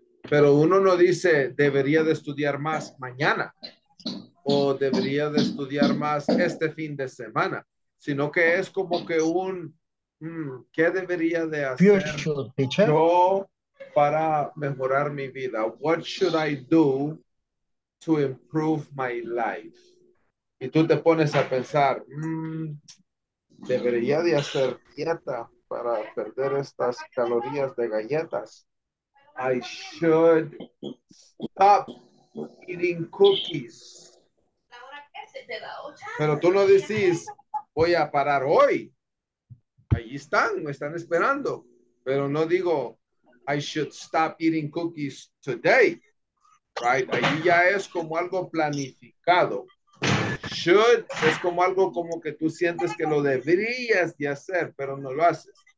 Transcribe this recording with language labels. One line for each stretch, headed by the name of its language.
Spanish: Pero uno no dice, debería de estudiar más mañana. O debería de estudiar más este fin de semana, sino que es como que un ¿qué debería de hacer yo para mejorar mi vida?
English: What should I do to improve my life?
Spanish: Y tú te pones a pensar, debería de hacer dieta para perder estas calorías de galletas.
English: I should stop eating cookies.
Spanish: Pero tú no decís, voy a parar hoy. Allí están, me están esperando. Pero no digo,
English: I should stop eating cookies today.
Spanish: Right? Allí ya es como algo planificado. Should es como algo como que tú sientes que lo deberías de hacer, pero no lo haces.